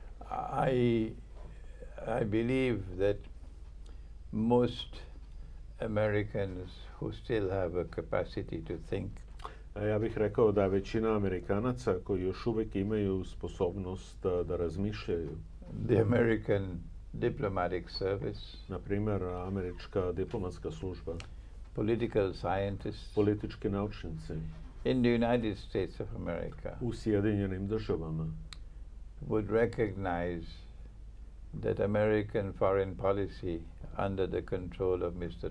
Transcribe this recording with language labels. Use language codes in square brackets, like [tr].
[en] I believe that most Americans who still have a capacity to think, [sr] ja bih rekao da većina Amerikanaca koji još uvek imaju sposobnost da razmišljaju, [en] the American diplomatic service, [sr] na primer američka diplomatska služba, [en] political scientists, [sr] politički naučnici, [en] in the United States of America, [sr] u Sjedinjenim Državama, [en] would recognize that American foreign policy under the control of Mr.